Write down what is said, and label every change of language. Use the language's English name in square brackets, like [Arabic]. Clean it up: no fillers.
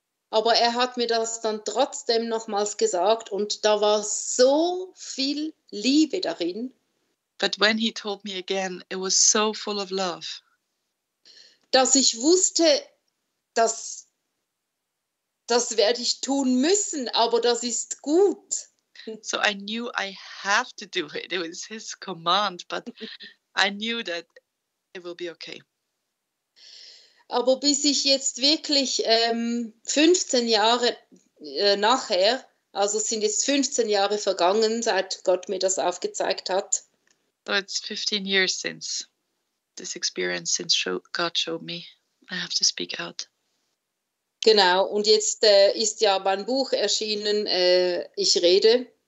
[German] Aber er hat mir das dann trotzdem nochmals gesagt und da war so viel Liebe darin. [English] But when he told me again, it was so full of love. [German] Dass ich wusste, dass das werde ich tun müssen, aber das ist gut. [English] So I knew I have to do it. It was his command, but I knew that it will be okay. [German] Aber bis ich jetzt wirklich 15 Jahre nachher, also es sind jetzt 15 Jahre vergangen, seit Gott mir das aufgezeigt hat. [English] So it's 15 years since this experience, since God showed me, I have to speak out. [German] Genau, und jetzt ist ja mein Buch erschienen, Ich rede.